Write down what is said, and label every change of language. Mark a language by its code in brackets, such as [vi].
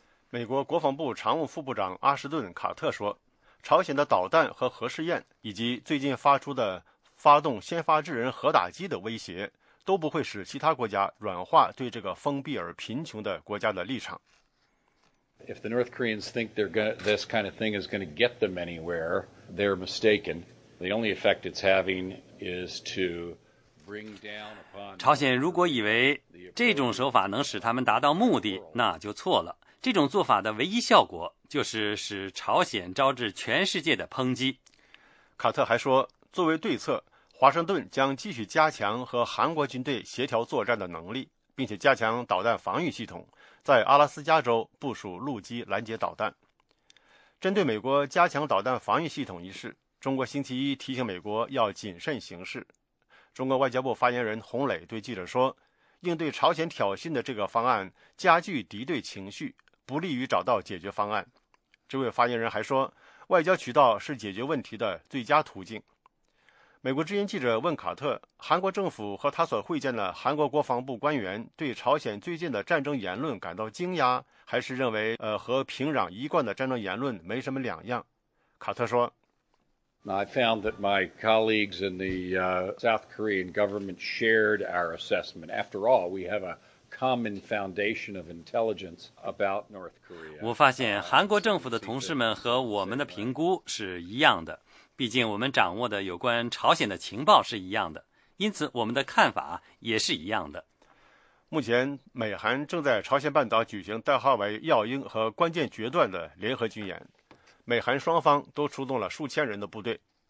[zh] 美国国防部常务副部长阿什顿·卡特说，朝鲜的导弹和核试验，以及最近发出的发动先发制人核打击的威胁，都不会使其他国家软化对这个封闭而贫穷的国家的立场。 [en] If the North Koreans think they're gonna, this kind of thing is going to get them anywhere, they're mistaken. The only effect it's having is to bring down upon. [zh] 朝鲜如果以为这种手法能使他们达到目的，那就错了。这种做法的唯一效果就是使朝鲜招致全世界的抨击。卡特还说，作为对策，华盛顿将继续加强和韩国军队协调作战的能力，并且加强导弹防御系统，在阿拉斯加州部署陆基拦截导弹。针对美国加强导弹防御系统一事，中国星期一提醒美国要谨慎行事。中国外交部发言人洪磊对记者说，应对朝鲜挑衅的这个方案加剧敌对情绪，不利于找到解决方案。这位发言人还说，外交渠道是解决问题的最佳途径。美国之音记者问卡特，韩国政府和他所会见的韩国国防部官员对朝鲜最近的战争言论感到惊讶，还是认为和平壤一贯的战争言论没什么两样？卡特说， [en] Now, I found that my colleagues in the South Korean government shared our assessment. After all, we have a common foundation of intelligence about North Korea. [zh] 我发现韩国政府的同事们和我们的评估是一样的，毕竟我们掌握的有关朝鲜的情报是一样的，因此我们的看法也是一样的。目前美韩正在朝鲜半岛举行代号为耀英和关键决断的联合军演，美韩双方都出动了数千人的部队。